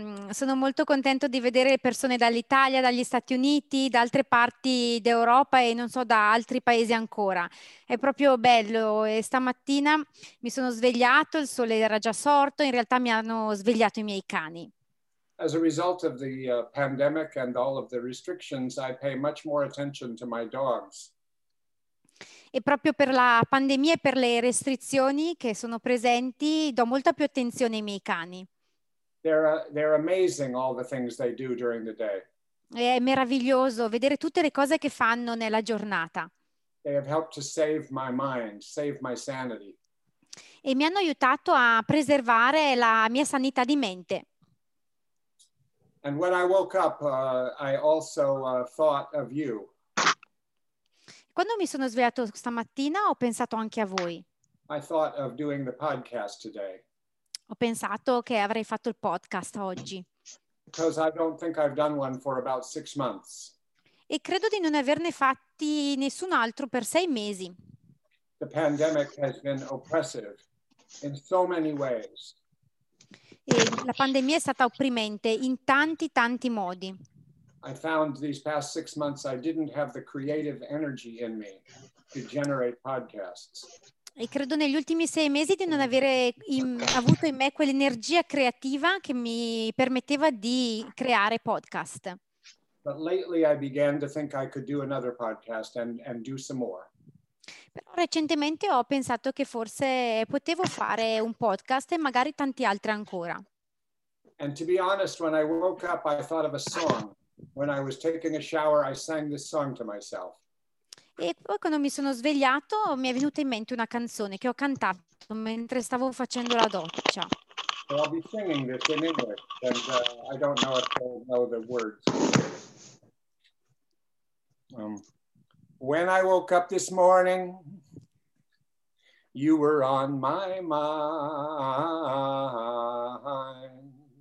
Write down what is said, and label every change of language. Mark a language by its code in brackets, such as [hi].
[it] Sono molto contento di vedere persone dall'Italia, dagli Stati Uniti, da altre parti d'Europa e non so, da altri paesi ancora. È proprio bello. Stamattina mi sono svegliato, il sole era già sorto, in realtà mi hanno svegliato I miei cani. [en] As a result of the pandemic and all of the restrictions, I pay much more attention to my dogs. [it] E proprio per la pandemia e per le restrizioni che sono presenti, do molta più attenzione ai miei cani. [en] They're amazing all the things they do during the day. [it] È meraviglioso vedere tutte le cose che fanno nella giornata. [en] They have helped to save my mind, save my sanity. [it] E mi hanno aiutato a preservare la mia sanità di mente. [en] And when I woke up, I also thought of you. [it] Quando mi sono svegliato stamattina ho pensato anche a voi. [en] I thought of doing the podcast today. [it] Ho pensato che avrei fatto il podcast oggi. [en] Because I don't think I've done one for about 6 months. [it] E credo di non averne fatti nessun altro per 6 mesi. [en] The pandemic has been oppressive in so many ways. [it] E la pandemia è stata opprimente in tanti, tanti modi. [en] I found these past 6 months I didn't have the creative energy in me to generate podcasts. [it] E credo negli ultimi 6 mesi di non avere avuto in me quell'energia creativa che mi permetteva di creare podcast. [en] But lately I began to think I could do another podcast and do some more. [it] Però recentemente ho pensato che forse potevo fare un podcast e magari tanti altri ancora. [en] And to be honest, when I woke up I thought of a song. When I was taking a shower, I sang this song to myself. [it] E poi quando mi sono svegliato, mi è venuta in mente una canzone che ho cantato mentre stavo facendo la doccia. [en] So I'll be singing this in English, and I don't know if you'll know the words. When I woke up this morning, you were on my mind.